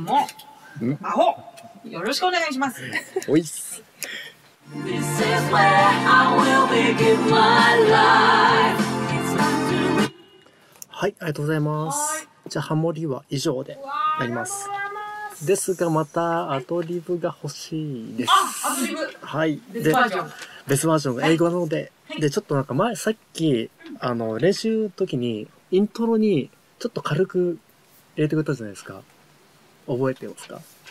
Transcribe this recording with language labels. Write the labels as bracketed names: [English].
[Japanese] もう、アホ、よろしくお願いします。おいっす。 [English] This is where I will begin my life. It's [Japanese] はい、ありがとうございます。じゃあハモリは以上でなります。ですがまたアドリブが欲しいです。あ、アドリブ、はい、別バージョン、別バージョンが英語なので、はい、でちょっとなんか前さっきあの練習時にイントロにちょっと軽く入れてくれたじゃないですか。覚えてますか。